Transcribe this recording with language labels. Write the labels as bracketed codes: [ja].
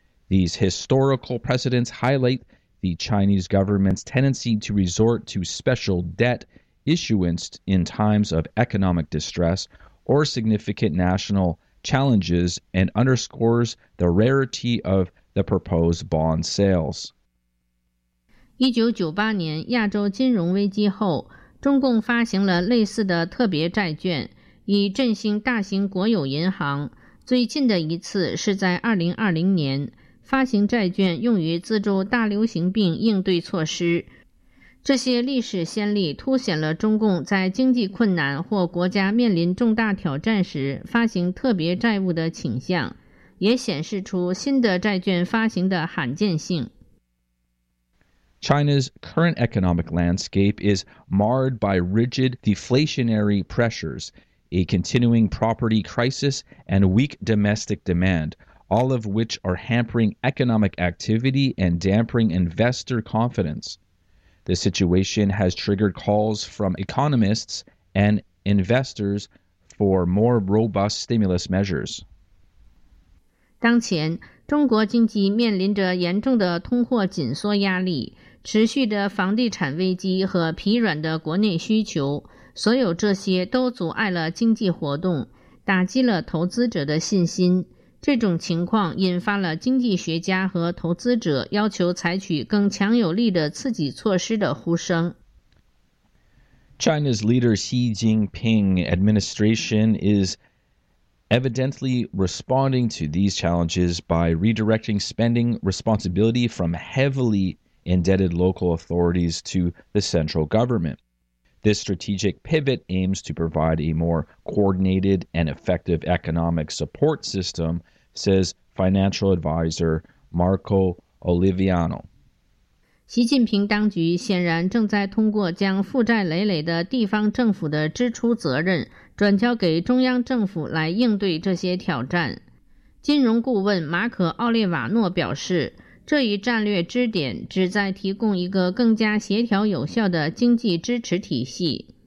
[en] These historical precedents highlight the Chinese government's tendency to resort to special debt issuance in times of economic distress or significant national challenges and underscores the rarity of the proposed bond sales. [zh] 1998年亚洲金融危机后，中共发行了类似的特别债券，以振兴大型国有银行。最近的一次是在2020年，发行债券用于资助大流行病应对措施。这些历史先例凸显了中共在经济困难或国家面临重大挑战时发行特别债务的倾向，也显示出新的债券发行的罕见性。 [en] China's current economic landscape is marred by rigid deflationary pressures, a continuing property crisis, and weak domestic demand, all of which are hampering economic activity and dampening investor confidence. The situation has triggered calls from economists and investors for more robust stimulus measures. [zh] 当前，中国经济面临着严重的通货紧缩压力，持续的房地产危机和疲软的国内需求，所有这些都阻碍了经济活动，打击了投资者的信心。这种情况引发了经济学家和投资者要求采取更强有力的刺激措施的呼声。 [en] China's leader Xi Jinping administration is evidently responding to these challenges by redirecting spending responsibility from heavily indebted local authorities to the central government. This strategic pivot aims to provide a more coordinated and effective economic support system. says financial advisor Marco Oliviano. [zh] 习近平当局显然正在通过将负债累累的地方政府的支出责任转交给中央政府来应对这些挑战。金融顾问马可·奥利瓦诺表示，这一战略支点旨在提供一个更加协调有效的经济支持体系。